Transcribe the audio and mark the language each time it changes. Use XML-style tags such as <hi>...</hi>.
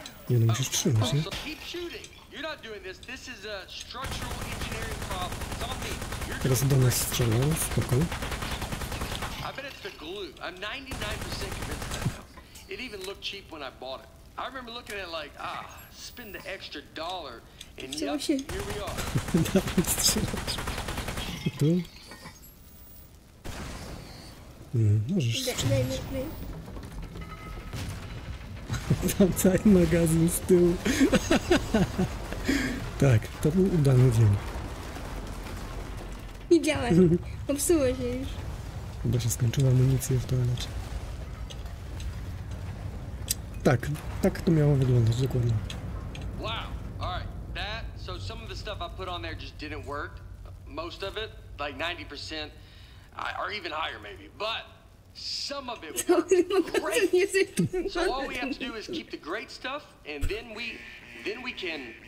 <pl>Nie no, musisz trzymać, nie?</pl> <en>You're not doing this. This is a structural engineering problem.</en> <pl>Teraz do nas strzelał, spoko.</pl> <en>I bet it's the glue. I'm 99% convinced of that. It even looked cheap when I bought it. I remember looking at it like, ah, spend the extra dollar and yup, here we are.</en> <pl>Dawaj strzelać. I tu? Możesz strzelać. Tam cały magazyn z tyłu. Tak, to był udany dzień. widziałem. Popsuło się już. Bo się skończyła amunicja w toalecie. Tak, tak to miało wyglądać, dokładnie.</pl> <en>Wow, alright, that, so some of the stuff I put on there just didn't work. Most of it, like 90%, or even higher maybe, but some of it worked great. So all we have to do is keep the great stuff, and then we can...</en>